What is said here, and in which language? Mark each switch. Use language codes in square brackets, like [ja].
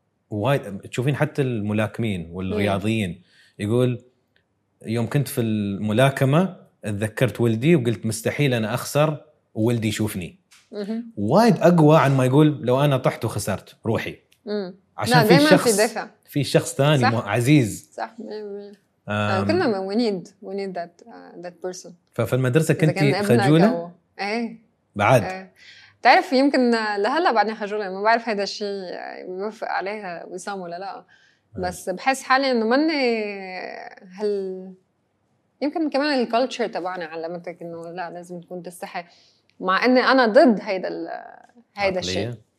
[ar] وايد تشوفين حتى الملاكمين والرياضيين يقول يوم كنت في الملاكمه اتذكرت ولدي وقلت مستحيل انا اخسر ولدي يشوفني. وايد اقوى عن ما يقول لو انا طحت وخسرت روحي. عشان في شخص في شخص ثاني عزيز. صح كلنا [en] we need that person. [ar] ففي المدرسه كنت خجوله بعد تعرف يمكن لهلا بعدني خجوله ما بعرف هذا الشيء بيوافق عليها وسام ولا لا بس بحس حالي انه ماني هال يمكن كمان الكالتشر تبعنا علمتك انه لا لازم تكون تستحي مع اني انا ضد هيدا الشيء.